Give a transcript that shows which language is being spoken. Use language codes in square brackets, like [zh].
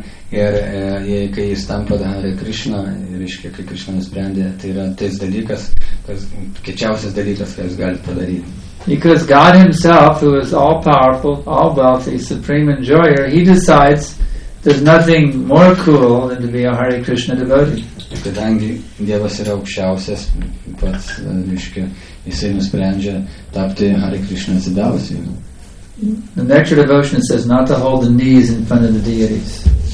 [lt] Ir kai jis tampa Hare Krishna, reiškia, kai Krishna nusprendė, tai yra tas dalykas, tas kečiausias dalykas, ką jis gali padaryti. [en] Because God himself, who is all powerful, all wealthy, supreme enjoyer, he decides There's nothing more cool than to be a Hare Krishna devotee. [lt] Kadangi Dievas yra aukščiausias, pats, reiškia, jisai nusprendžia tapti Hare Krishna atsidavusiu. [en] The nectar devotion says not to hold the knees in front of the deities.